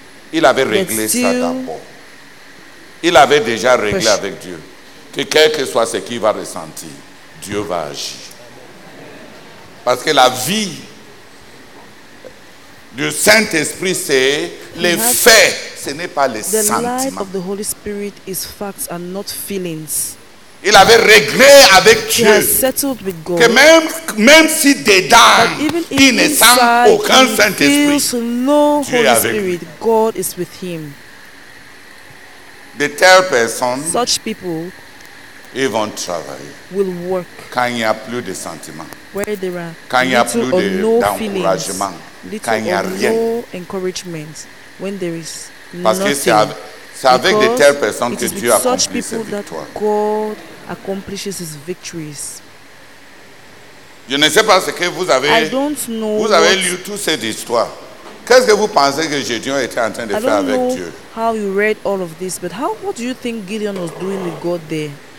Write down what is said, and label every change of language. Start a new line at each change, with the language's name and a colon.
French: il avait réglé ça d'abord. Il avait déjà réglé avec Dieu que quel que soit ce qu'il va ressentir, Dieu va agir. Parce que la vie du Saint-Esprit, c'est les faits, ce n'est pas les sentiments.
English: The life of the Holy Spirit is facts and not feelings.
French: Il avait réglé avec Dieu.
English: He has settled with God.
French: Que même si dedans, il ne sent aucun Saint-Esprit,
English: no
French: Dieu
English: Holy
French: est avec
English: Spirit,
French: lui.
English: God is with him.
French: De telles personnes,
English: such people,
French: ils vont travailler.
English: Will work.
French: Quand il n'y a plus de sentiments.
English: Where there are
French: quand
English: little
French: il n'y a plus d'encouragement. No quand il n'y a rien.
English: No encouragement when there is nothing.
French: Parce que c'est avec de telles personnes que Dieu accomplit ses victoires.
English: It is with such people that God accomplishes his victories.
French: Je ne sais pas ce que vous avez.
English: I don't know.
French: Vous avez lu toutes ces histoires. Qu'est-ce que vous pensez que Gideon était en train de
English: I
French: faire avec Dieu?
English: I don't know how you read all of this, but how what do you think Gideon was doing with God there?